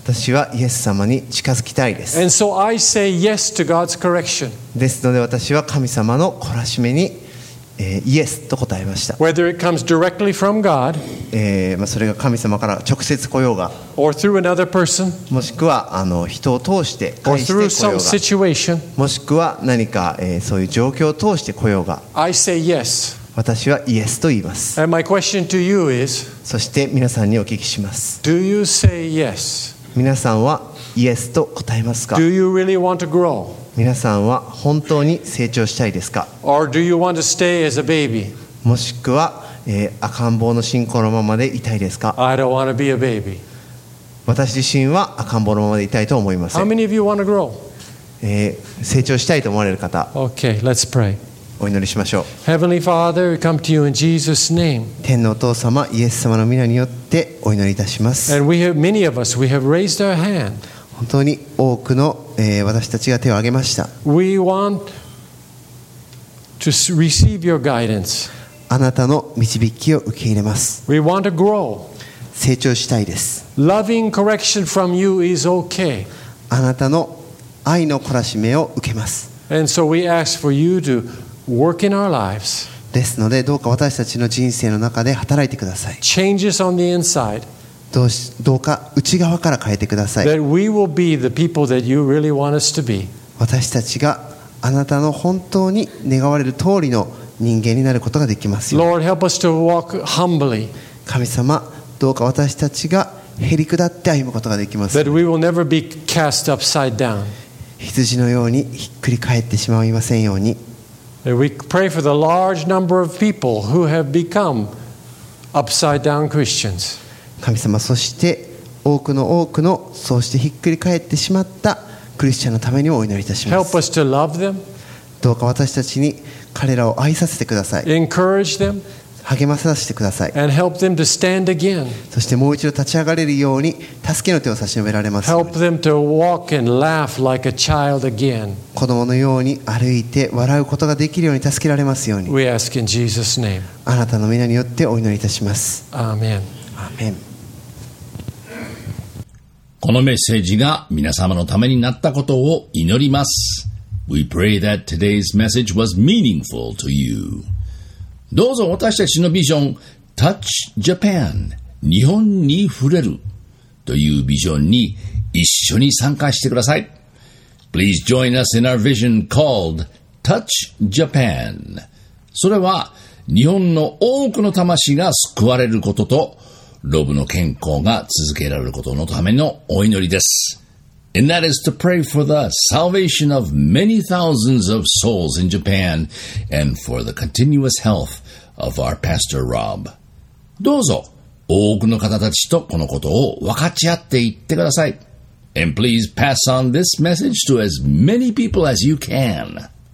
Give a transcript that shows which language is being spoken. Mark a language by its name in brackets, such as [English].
[Japanese] 私はイエス様に近づきたいです。 [English] And so I say yes to God's correction. [Japanese] ですので私は神様の懲らしめに、イエスと答えました。 [English] Whether it comes directly from God, [Japanese] まあそれが神様から直接来ようが [English] or through another person, [Japanese] もしくはあの人を通して返して来ようが [English] or through some situation, [Japanese] もしくは何か、そういう状況を通して来ようが [English] I say yes. [Japanese] 私はイエスと言います。 [English] And my question to you is, [Japanese] そして皆さんにお聞きします。 [English] Do you say yes? [Japanese] 皆さんはイエスと答えますか? [English] Do you really want to grow? [Japanese] 皆さんは本当に成長したいですか? [English] Or do you want to stay as a baby? [Japanese] もしくは、赤ん坊の信仰のままでいたいですか? [English] I don't want to be a baby. [Japanese] 私自身は赤ん坊のままでいたいと思いません。 [English] How many of you want to grow? [Japanese] 成長したいと思われる方。 [English] Okay, let's pray. [Japanese] お祈りしましょう。 [English] Heavenly Father, we come to you in Jesus' name. [Japanese] 天のお父様、イエス様の皆によってお祈りいたします。 [English] And we have many of us, we have raised our hand. [Japanese] 本当に多くの、私たちが手を挙げました。 [English] We want to receive your guidance. [Japanese] あなたの導きを受け入れます。 [English] We want to grow. [Japanese] 成長したいです。 [English] Loving correction from you is okay. [Japanese] あなたの愛の懲らしめを受けます。 [English] And so we ask for you to work in our lives. [Japanese] ですのでどうか私たちの人生の中で働いてください。 [English] Changes on the inside. [Japanese] どうか内側から変えてください。 [English] That we will be the people that you really want us to be. [Japanese] 私たちがあなたの本当に願われる通りの人間になることができますように。 [English] Lord, help us to walk humbly. [Japanese] 神様、どうか私たちがへりくだって歩むことができますように。 [English] That we will never be cast upside down. [Japanese] 羊のようにひっくり返ってしまいませんように。 [English] We pray for the large number of people who have become upside down Christians. [Japanese] 神様、そして多くのそうしてひっくり返ってしまったクリスチャンのためにお祈りいたします。 [English] Help us to love them. [Japanese] どうか私たちに彼らを愛させてください。 [English] Encourage them. [Japanese] 励まさせてください。 [English] And help them to stand again. [Japanese] そしてもう一度立ち上がれるように助けの手を差し伸べられますように。 [English] Help them to walk and laugh like a child again. [Japanese] 子供のように歩いて笑うことができるように助けられますように。 [English] We ask in Jesus' name. [Japanese] あなたの皆によってお祈りいたします。アーメン。アーメン。このメッセージが皆様のためになったことを祈ります。 [English] We pray that today's message was meaningful to you. [Japanese] どうぞ私たちのビジョン、Touch Japan、日本に触れるというビジョンに一緒に参加してください。 [English] Please join us in our vision called Touch Japan. [Japanese] それは日本の多くの魂が救われることとロブの健康が続けられることのためのお祈りです。 [English] And that is to pray for the salvation of many thousands of souls in Japan and for the continuous health of our Pastor Rob. [Japanese] どうぞ多くの方たちとこのことを分かち合っていってください。 [English] And please pass on this message to as many people as you can.